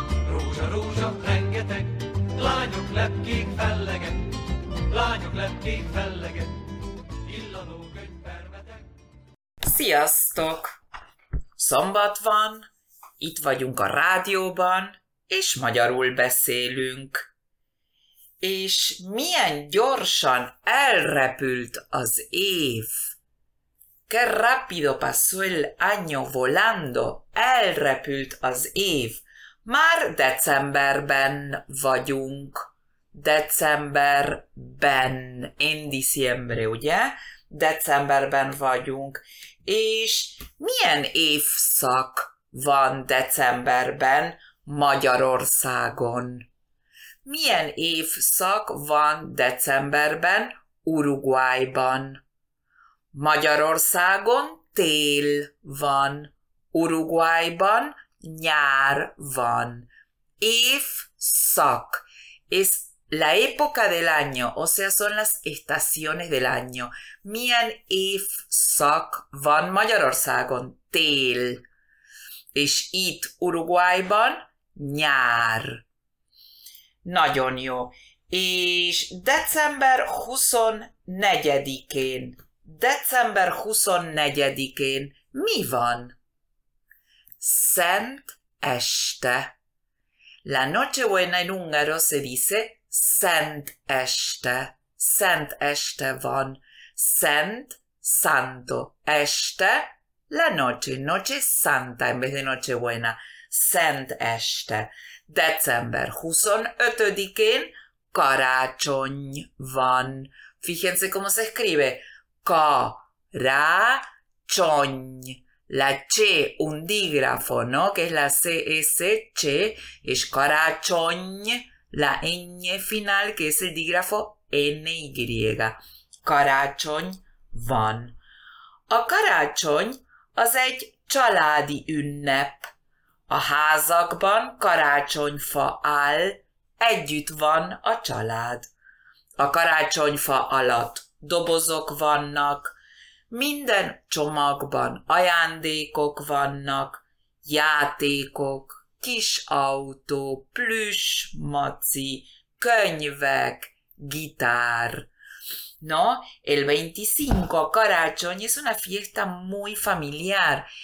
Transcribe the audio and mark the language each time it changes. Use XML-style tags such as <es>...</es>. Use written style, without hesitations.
<hu>Rózsa, rózsa, rengeteg, lányok lepkék fellegek, lányok lepkék fellegek, illanó könyvpermetek. Sziasztok! Szombat van, itt vagyunk a rádióban, és magyarul beszélünk. És milyen gyorsan elrepült az év!</hu> <es>Qué rápido pasó el año volando!</es> <hu>Elrepült az év! Már decemberben vagyunk. Decemberben.</hu> <es>En diciembre,</es> <hu>ugye? Decemberben vagyunk. És milyen évszak van decemberben Magyarországon? Milyen évszak van decemberben Uruguayban? Magyarországon tél van, Uruguayban nyár van. Évszak.</hu> <es>Es la época del año, o sea, son las estaciones del año.</es> <hu>Milyen évszak van Magyarországon? Tél. És itt Uruguayban nyár. Nagyon jó. És december 24-én, december 24-én mi van? Szent este.</hu> <es>La noche buena en húngaro se dice Szent este.</es> <hu>Szent este van. Szent, santo.</hu> <es>Este, la noche. Noche santa en vez de noche buena.</es> <hu>Szent este. December 25-én karácsony van.</hu> <es>Fíjense cómo se escribe.</es> <hu>Ka-ra-csony.</hu> <es>La che, un dígrafo, ¿no? Que es la C-S-Che. És karácsony, la ñ final, que es el dígrafo N-Y.</es> <hu>Karácsony van. A karácsony az egy családi ünnep. A házakban karácsonyfa áll, együtt van a család. A karácsonyfa alatt dobozok vannak, minden csomagban ajándékok vannak, játékok, kis autó, plüss, maci, könyvek, gitár.</hu> <es>No, el 25 karácsony es una fiesta muy familiar.</es>